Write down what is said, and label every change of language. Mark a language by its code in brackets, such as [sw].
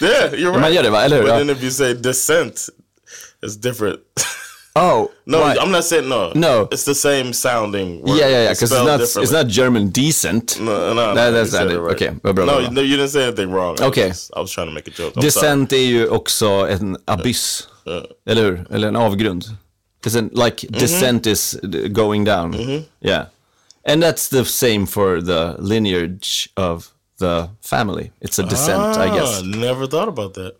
[en] Yeah, you're right. [sv] Man gör det, va? Eller hur? [en] But then if you say descent, it's different. Oh, no, right. I'm not saying no. No. It's the same sounding word. Yeah, yeah, yeah, because it's not German decent. No, that's not it. Right. Okay. No, you didn't say anything wrong. Okay. I was trying to make a joke. [sv] Descent är ju också en abyss, eller hur? Eller en avgrund. [en] Like, descent is going down. Mm-hmm. Yeah. And that's the same for the lineage of the family. It's a descent, I guess. Never thought about that.